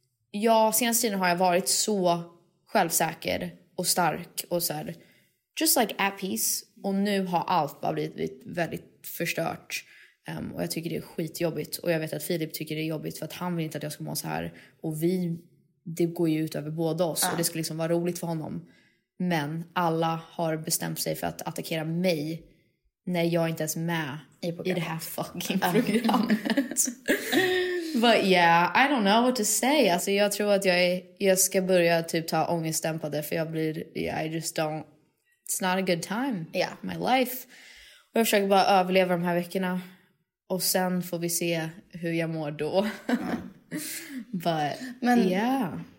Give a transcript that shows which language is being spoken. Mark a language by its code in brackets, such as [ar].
[sv] jag, senaste tiden har jag varit så självsäker och stark och så här, [en] just like at peace, [sv] och nu har allt bara blivit väldigt förstört, och jag tycker det är skitjobbigt, och jag vet att Filip tycker det är jobbigt för att han vill inte att jag ska må så här, och vi, det går ju ut över båda oss, och det skulle liksom vara roligt för honom. Men alla har bestämt sig för att attackera mig när jag inte ens är med i det här fucking programmet. [en] But yeah, I don't know what to say. [sv] Alltså jag tror att jag ska börja typ ta ångestdämpade, för jag blir, yeah, [en] I just don't, it's not a good time in my life. [sv] Och jag försöker bara överleva de här veckorna, och sen får vi se hur jag mår då. [en] But yeah.